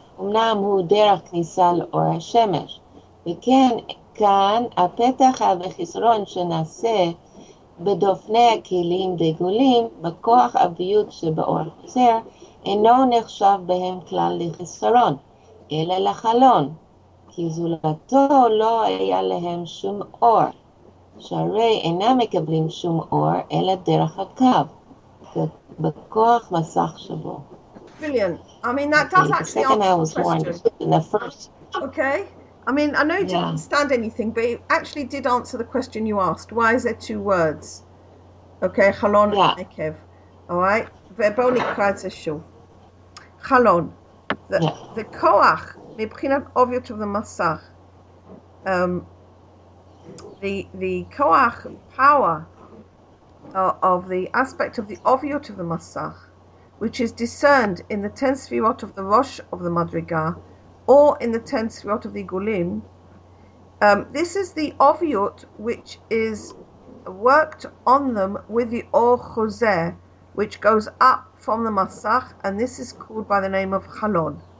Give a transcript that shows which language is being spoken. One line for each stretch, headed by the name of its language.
Hebrew: אמנם הוא דרך כניסה לאור השמש. וכן, כאן הפתח והחיסרון שנעשה בדופני הכלים בעיגולים, בכוח אביות שבאור חוזר, אינו נחשב בהם כלל לחיסרון, אלא לחלון, כי זולתו לא היה להם שום אור, שהרי אינם מקבלים שום אור, אלא דרך הקו, בכוח מסך שבו.
English: Brilliant. I mean, that's okay, actually answer the question. In the first... Okay. I mean, I know you didn't understand anything, but it actually did answer the question you asked. Why is there two words?
Hebrew: Okay, חלון ונקב.
English: All right.
Hebrew: ובואו נקרא את זה שוב. חלון. זה כוח, מבחינת אוביות של המסך.
English: The כוח, power of the aspect of the אוביות of the מסך, which is discerned in the ten ספירות of the ראש of the מדרגה, or in the ten ספירות of the עיגולים, this is the אוביות which is worked on them with the אור חוזר, which goes up from the masach, and this is called by the name of chalon.